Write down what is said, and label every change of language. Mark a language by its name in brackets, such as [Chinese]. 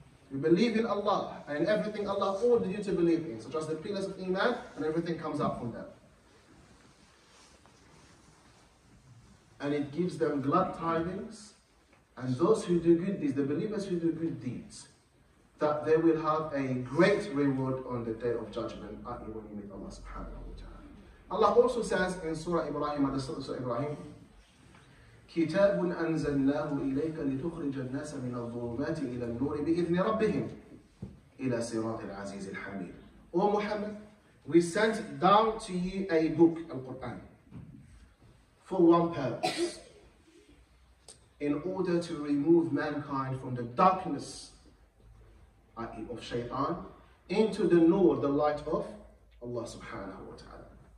[English] You believe in Allah and everything Allah ordered you to believe in, such as the pillars of Iman, and everything comes up from them. And it gives them glad tidings, and those who do good deeds, the believers who do good deeds, that they will have a great reward on the Day of Judgment, i.e. when you meet Allah subhanahu wa ta'ala. Allah also says in Surah Ibrahim, [Arabic] at the start of Surah Ibrahim, كِتَابٌ أَنزَلْنَاهُ إِلَيْكَ لِتُخْرِجَ النَّاسَ مِنَ الظُّلُمَاتِ إِلَى النُّورِ بِإِذْنِ رَبِّهِمْ إِلَى صِرَاطِ الْعَزِيزِ الْحَمِيدِ. [English] O Muhammad, we sent down to you a book, Al-Qur'an, for one purpose, in order to remove mankind from the darkness, i.e. of shaitan, into the nur, the light of Allah subhanahu wa ta'ala.